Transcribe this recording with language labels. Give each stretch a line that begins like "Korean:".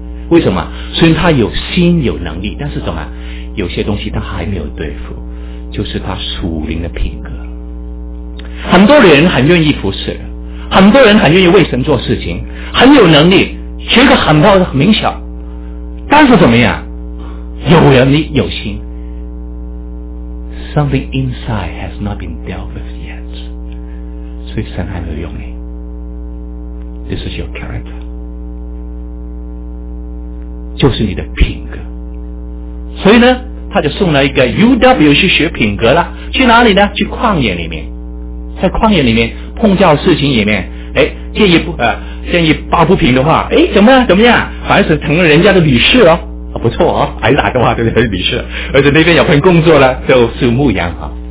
Chinese: 为什么？虽然他有心有能力，但是什么？有些东西他还没有对付，就是他属灵的品格。很多人很愿意服侍，很多人很愿意为神做事情，很有能力，学个很高的名校，但是怎么样？有人你有心 ，
English: something inside has not been dealt with yet，
Chinese: 所以神还没有用你。
English: This is your character，
Chinese: 就是你的品格。所以呢，他就送了一个 UW 去学品格了，去哪里呢？去旷野里面，在旷野里面碰到事情里面，哎，建议抱不平的话，哎，怎么样，反而是成了人家的女婿哦。哦、不错哦，挨打的话就是理事，而且那边有份工作了，就是牧羊哈。